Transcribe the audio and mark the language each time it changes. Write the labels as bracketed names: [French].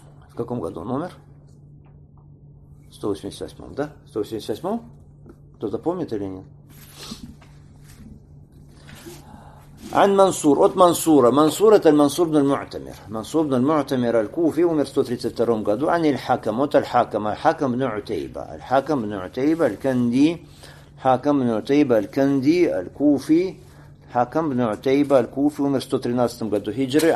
[Russian] В каком году он умер? 188-м, да? 188-м? Кто-то помнит или нет? [Arabic] عن منصور [Russian] от Мансура. Мансур это Мансур ибн аль-Муътамир. Мансур ибн аль-Муътамир аль-Куфи умер в 132 году. [Arabic] عن الحكم [Russian] от [Arabic] الحكم. الحكم ابن عتيبة. الحكم ابن عتيبة الكندي. الحكم ابن عتيبة الكندي الكوفي. الحكم ابن عتيبة الكوفي [Russian] умер в 113 году хиджры.